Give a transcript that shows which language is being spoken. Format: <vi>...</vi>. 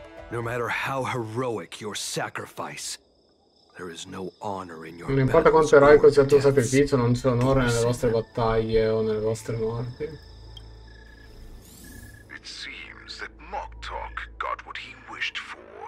<en>No matter how heroic your sacrifice, there is no honor in your.</en> <it>Non importa quanto eroico sia il tuo sacrificio, non c'è onore nelle vostre battaglie o nelle vostre morti.</it> <en>It seems that Moktok got what he wished for.</en>